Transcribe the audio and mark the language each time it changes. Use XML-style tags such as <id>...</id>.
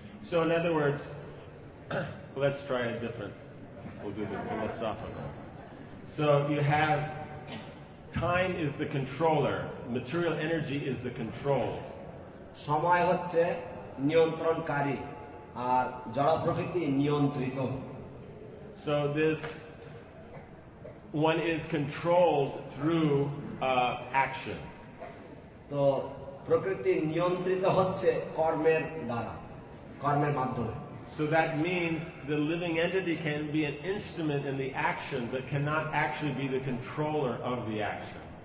<en>So in other words, let's try a different, we'll do the philosophical. So you have time is the controller, material energy is the control.</en> <bn>সময় হচ্ছে নিয়ন্ত্রণকারী আর জড় প্রকৃতি নিয়ন্ত্রিত।</bn> <en>So this one is controlled through action.</en> <bn>তো প্রকৃতি নিয়ন্ত্রিত হচ্ছে কর্মের দ্বারা, কর্মের মাধ্যমে।</bn> <en>So that means the living entity can be an instrument in the action but cannot actually be the controller of the action.</en>